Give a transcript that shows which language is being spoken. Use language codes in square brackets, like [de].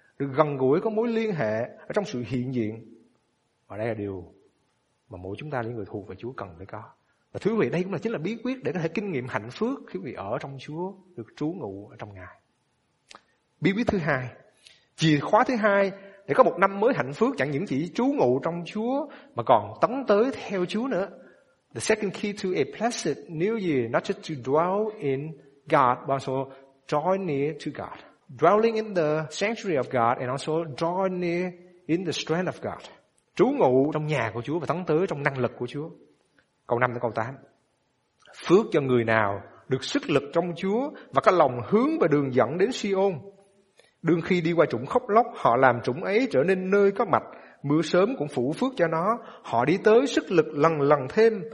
[vi] Được gần gũi, có mối liên hệ ở trong sự hiện diện. Và đây là điều mà mỗi chúng ta, những người thuộc về Chúa, cần phải có. Và thưa quý vị, đây cũng là chính là bí quyết để có thể kinh nghiệm hạnh phúc khi quý vị ở trong Chúa, được trú ngụ ở trong Ngài. Bí quyết thứ hai, chìa khóa thứ hai để có một năm mới hạnh phúc, chẳng những chỉ trú ngụ trong Chúa mà còn tấn tới theo Chúa nữa. [en] The second key to a blessed new year, not just to dwell in God, but also draw near to God. Dwelling in the sanctuary of God and also draw near in the strength of God. [vi] Trú ngụ trong nhà của Chúa và tấn tới trong năng lực của Chúa. Câu 5 đến câu 8. Phước cho người nào được sức lực trong Chúa và có lòng hướng về đường dẫn đến Si-ôn. Đương khi đi qua trũng khóc lóc, họ làm trũng ấy trở nên nơi có mạch. Mưa sớm cũng phủ phước cho nó. Họ đi tới sức lực lần lần thêm.